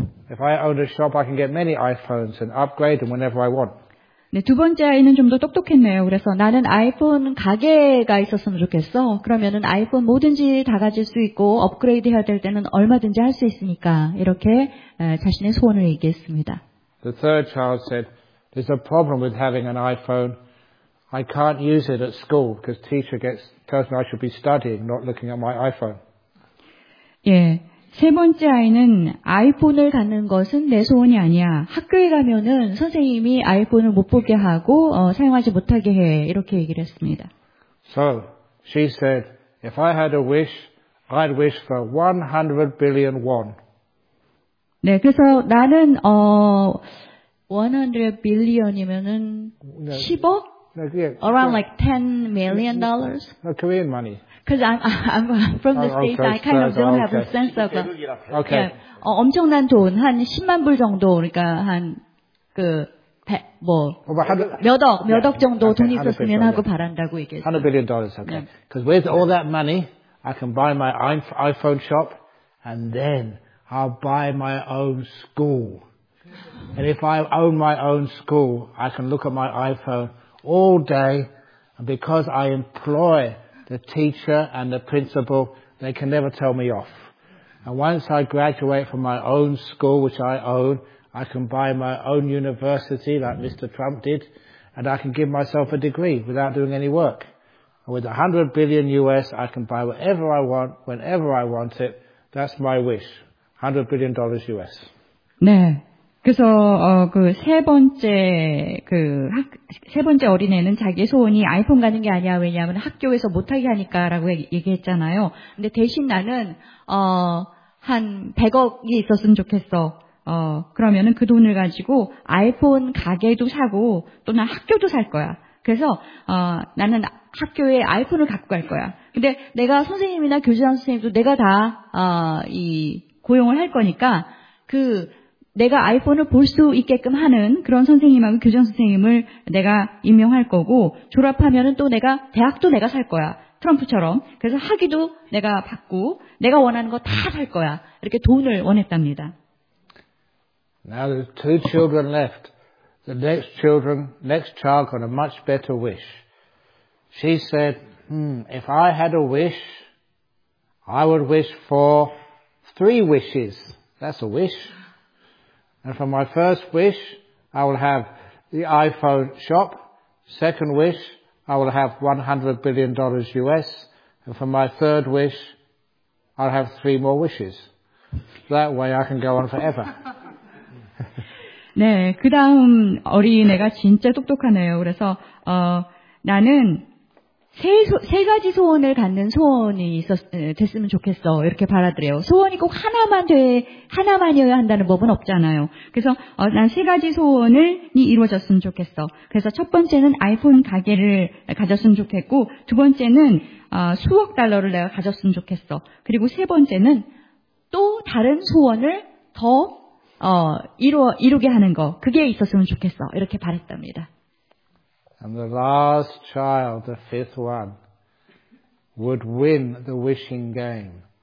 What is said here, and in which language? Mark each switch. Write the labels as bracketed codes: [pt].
[en] If I owned a shop, I can get many iPhones and upgrade them whenever I want. [ko] 네, 두 번째 아이는 좀 더 똑똑했네요. 그래서 나는 아이폰 가게가 있었으면 좋겠어. 그러면은 아이폰 뭐든지 다 가질 수 있고 업그레이드 해야 될 때는 얼마든지 할 수 있으니까 이렇게 자신의 소원을 얘기했습니다. [en] The third child said, there's a problem with having an iPhone. I can't use it at school because teacher tells me I should be studying, not looking at my iPhone. [ko] 예, 세 번째 아이는 아이폰을 갖는 것은 내 소원이 아니야. 학교에 가면은 선생님이 아이폰을 못 보게 하고 사용하지 못하게 해 이렇게 얘기를 했습니다. [en] So she said, if I had a wish, I'd wish for 100 billion won. [ko] 네, 그래서 나는 100 billion이면은 10억? [en] Around like $10 million. No, Korean money. Because I'm from the States, I kind of don't have a sense of. Okay. [ko] Yeah. 엄청난 돈, 한 10만 불 정도, 그러니까 한 그 몇억 정도 돈이 있었으면 하고 바란다고 얘기했어요. [en] $100 billion, okay. Because with all that money, I can buy my iPhone shop, and then I'll buy my own school. And if I own my own school, I can look at my iPhone all day, and because I employ the teacher and the principal, they can never tell me off. And once I graduate from my own school, which I own, I can buy my own university, like Mr. Trump did, and I can give myself a degree without doing any work. And with $100 billion, I can buy whatever I want, whenever I want it. That's my wish. $100 billion. [ko] 네. 그래서 세 번째 어린애는 자기의 소원이 아이폰 가는 게 아니야. 왜냐하면 학교에서 못하게 하니까라고 얘기했잖아요. 근데 대신 나는 한 100억이 있었으면 좋겠어. 그러면은 그 돈을 가지고 아이폰 가게도 사고 또 난 학교도 살 거야. 그래서 나는 학교에 아이폰을 갖고 갈 거야. 근데 내가 선생님이나 교장 선생님도 내가 다 이 고용을 할 거니까 그 내가 아이폰을 볼 수 있게끔 하는 그런 선생님하고 교장 선생님을 내가 임명할 거고 졸업하면은 또 내가 대학도 내가 살 거야. 트럼프처럼. 그래서 학위도 내가 받고 내가 원하는 거 다 살 거야. 이렇게 돈을 원했답니다. [en] Now there's two children left. The next child got a much better wish. She said, if I had a wish, I would wish for 3 wishes. That's a wish. And for my first wish, I will have the iPhone shop. Second wish, I will have $100 billion. And for my third wish, I'll have 3 more wishes. That way I can go on forever. [ko] 네, 그 다음 어린애가 진짜 똑똑하네요. 그래서 나는 세 가지 소원을 갖는 소원이 됐으면 좋겠어. 이렇게 바라드려요. 소원이 꼭 하나만이어야 한다는 법은 없잖아요. 그래서 난 3가지 소원이 이루어졌으면 좋겠어. 그래서 첫 번째는 아이폰 가게를 가졌으면 좋겠고 두 번째는 수억 달러를 내가 가졌으면 좋겠어. 그리고 세 번째는 또 다른 소원을 더 이루게 하는 거 그게 있었으면 좋겠어 이렇게 바랬답니다. [en] And the last child, the fifth one, would win the wishing game.